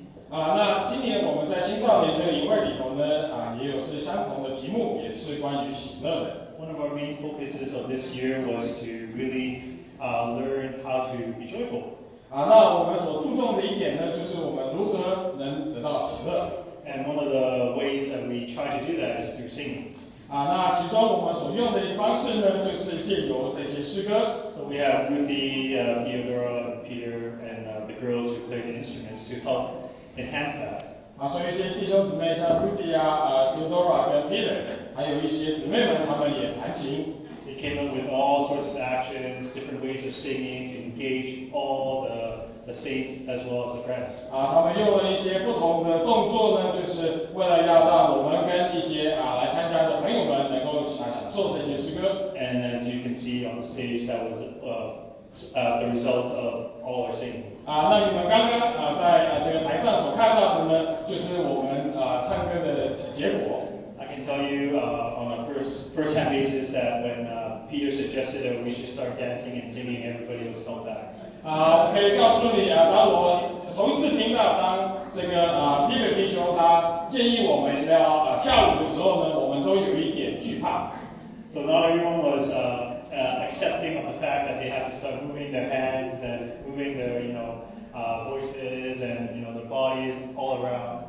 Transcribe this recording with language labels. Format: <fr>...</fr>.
<zh>那今年我们在青少年这个营会里头呢，也有是相同的题目，也是。是关于喜乐的。</zh> <en>One of our main focuses of this year was to really learn how to be joyful.</en> <zh>啊，那我们所注重的一点呢，就是我们如何能得到喜乐。</zh> <en>And one of the ways that we try to do that is through singing.</en> <zh>啊，那其中我们所用的方式呢，就是借由这些诗歌。</zh> <en>So we have Ruthie, Theodora, Peter, and the girls who play the instruments to help enhance that.</en> <zh>啊，所以一些弟兄姊妹像 Ruthie 啊、Theodora 跟 Peter， 还有一些姊妹们，他们也弹琴。</zh> <en>They came up with all sorts of actions, different ways of singing, to engage all the saints as well as the friends.</en> <zh>啊，他们用了一些不同的动作呢，就是为了要让我们跟一些啊来参加的朋友们能够来享受这些诗歌。</zh> <en>And as you can see on the stage, that was the result of all our singing.</en> <zh>啊，那你们刚刚啊在这个台上所看到的呢，就是我们啊唱歌的结果。</zh> <en>I can tell you on a first-hand basis that when Peter suggested that we should start dancing and singing, everybody was called back.</en> <zh>啊，可以告诉你啊，当我同时听到当这个啊 Peter 弟兄他建议我们要跳舞的时候呢，我们都有一点惧怕。</zh> <en>So not everyone was accepting of the fact that they have to start moving their hands and moving their, you know, voices and you know their bodies all around.</en>